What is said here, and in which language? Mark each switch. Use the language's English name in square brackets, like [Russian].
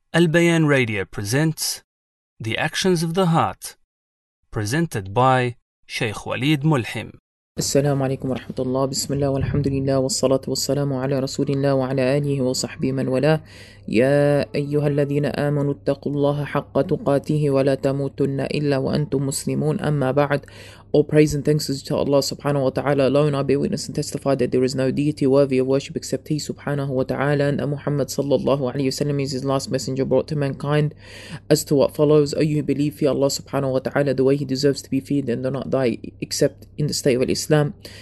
[English] Albayan Radio presents The Actions of the Heart, presented by Sheikh Waleed Mulhim. [Arabic] السلام عليكم ورحمة الله. بسم الله والحمد لله والصلاة والسلام على رسول الله وعلى آله وصحبه من والاه. يا أيها الذين آمنوا اتقوا الله حق تقاته ولا تموتن إلا وأنتم مسلمون. أما بعد, [English] all praise and thanks is to Allah subhanahu wa ta'ala alone. I bear witness and testify that there is no deity worthy of worship except He subhanahu wa ta'ala, and that Muhammad sallallahu alayhi wa sallam is His last messenger brought to mankind. As to what follows, O you who believe, fear Allah subhanahu wa ta'ala the way He deserves to be feared, and do not die except in the state of Islam.